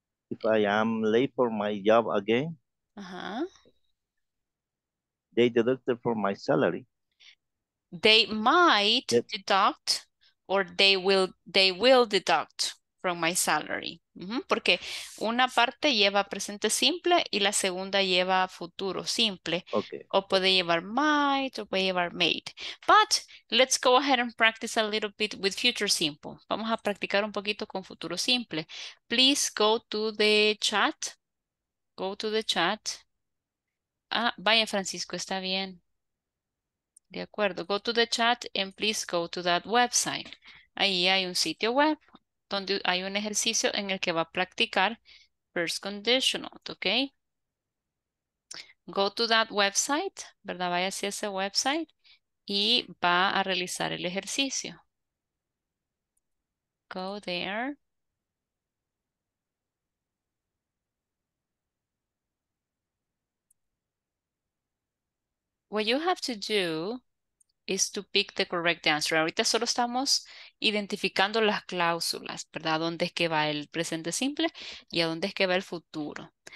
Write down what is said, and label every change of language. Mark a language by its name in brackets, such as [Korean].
[English] If I am late for my job again. Uh-huh. They deducted from my salary. They might deduct or they will deduct from my salary. Uh-huh. [Spanish] Porque una parte lleva presente simple y la segunda lleva futuro simple. Okay. O puede llevar might o puede llevar made. [English] But let's go ahead and practice a little bit with future simple. [Spanish] Vamos a practicar un poquito con futuro simple. [English] Please go to the chat. Go to the chat. [Spanish] Ah, vaya Francisco, está bien. De acuerdo. [English] Go to the chat and please go to that website. [Spanish] Ahí hay un sitio web donde hay un ejercicio en el que va a practicar first conditional, ¿ok? [English] Go to that website, [Spanish] ¿verdad? Vaya hacia ese website y va a realizar el ejercicio. [English] Go there. What you have to do is to pick the correct answer. [Spanish] Ahorita solo estamos identificando las cláusulas, ¿verdad? ¿Dónde es que va el presente simple y a dónde es que va el futuro?